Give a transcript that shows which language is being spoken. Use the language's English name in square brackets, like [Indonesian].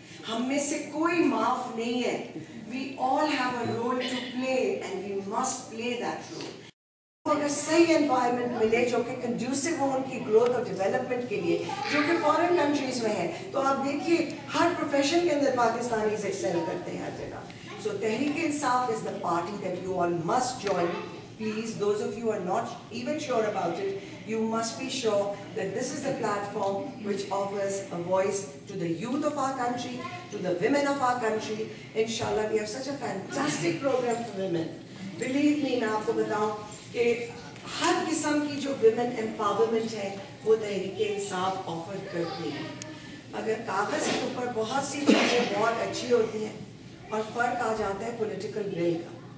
[Urdu] ہم میں سے کوئی معاف نہیں ہے. [English] We all have a role to play and we must play that role. [Urdu] اگر صحیح انوائرمنٹ ملے جو کہ کنڈیوسو ہو ان کی گروتھ اور ڈیولپمنٹ کے لیے, جو کہ فارن کنٹریز میں ہے, تو آپ دیکھیے ہر پروفیشن کے اندر پاکستانی ایکسل کرتے ہیں ہر جگہ. [English] So Tehreek Insaf is the party that you all must join. Please those of you are not even sure about it, you must be sure that this is the platform which offers a voice to the youth of our country, to the women of our country. ان شاء اللہ we have such a fantastic programme for women. Believe me, [Urdu] میں آپ کو بتاؤں کہ ہر قسم کی جو women empowerment ہے وہ تحریک انصاف آفر کرتی ہے, مگر کاغذ کے اوپر بہت سی چیزیں بہت اچھی ہوتی ہیں اور فرق آ جاتا ہے پولیٹیکل ویل کا.